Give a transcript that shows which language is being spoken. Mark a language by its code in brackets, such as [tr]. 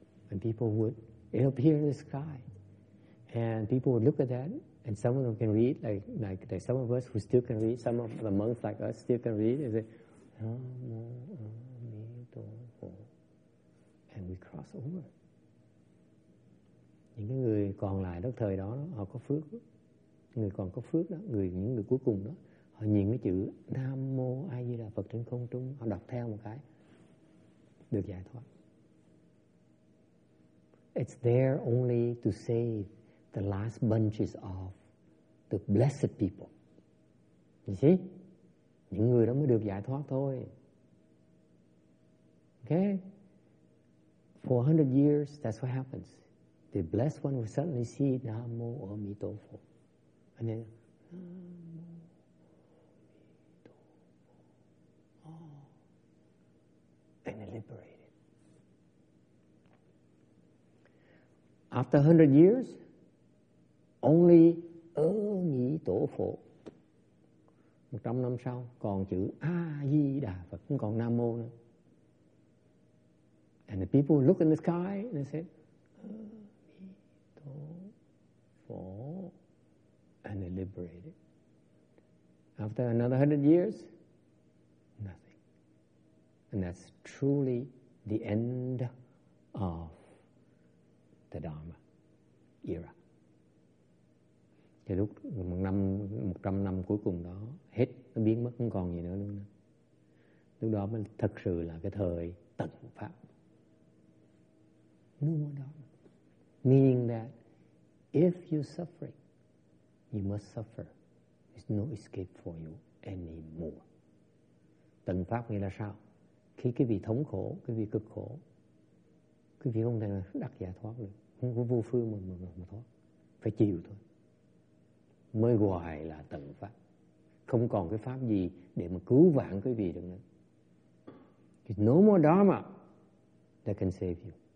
[en] And people would, it appear in the sky. And people would look at that, and some of them can read, like some of us who still can read, some of the monks like us still can read, and say, Namo Amitofo. And we cross over. [vi] Những cái người còn lại đất thời đó, họ có phước. người còn có phước đó, người những người cuối cùng đó, họ nhìn cái chữ Nam Mô A Di Đà Phật trên không trung, họ đọc theo một cái được giải thoát. [en] It's there only to save the last bunches of the blessed people. You see? [vi] Những người đó mới được giải thoát thôi. [en] Okay? For 100 years, that's what happens. The blessed one will suddenly see Nam Mô A Di Đà Phật. And then, Nam Mô A Di Đà Phật. And they're liberated. After 100 years, only A Di Đà Phật. [vi] 100 năm sau, còn chữ A Di Đà Phật, không còn Nam Mô nữa. [en] And the people look in the sky and they say, A Di Đà Phật. And they liberated. After another 100 years, nothing. And that's truly the end of the Dharma era. [vi] Thì lúc một trăm năm cuối cùng đó hết, nó biến mất, không còn gì nữa luôn. Lúc đó mới thật sự là cái thời tận pháp. [en] No more Dharma. Meaning that if you suffering, you must suffer. There's no escape for you anymore. [vi] Tận pháp nghĩa là sao? Khi cái vị thống khổ, cái vị cực khổ, cái vị không thể đắc giải thoát được. Không có vô phương mà thoát. Phải chịu thôi. Mới gọi là tận pháp. Không còn cái pháp gì để mà cứu vãn cái vị được nữa. [en] There's no more Dharma that can save you.